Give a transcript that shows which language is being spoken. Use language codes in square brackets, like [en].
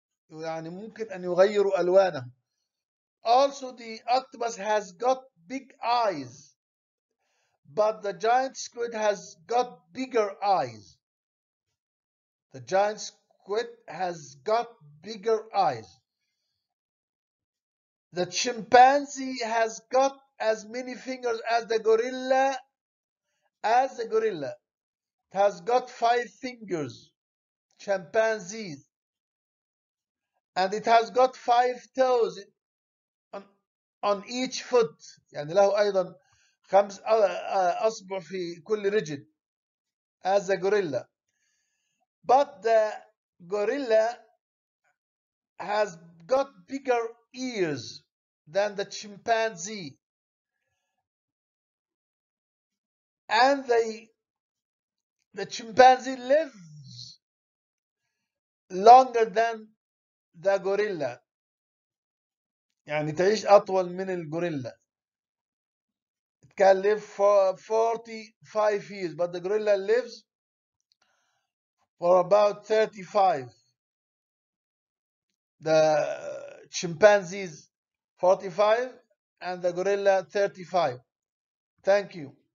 [ar] يعني ممكن أن يغيروا ألوانهم. [en] Also, the octopus has got big eyes. But the giant squid has got bigger eyes. The giant squid has got bigger eyes. The chimpanzee has got as many fingers as the gorilla. As the gorilla, it has got 5 fingers, chimpanzees. And it has got 5 toes on each foot. [ar] يعني له أيضا خمس أصبع في كل رجل. [en] As a gorilla. But the gorilla has got bigger ears than the chimpanzee. And the chimpanzee lives longer than the gorilla. [ar] يعني تعيش أطول من الغوريلا. [en] It can live for 45 years, but the gorilla lives for about 35. The chimpanzee's 45 and the gorilla 35. Thank you.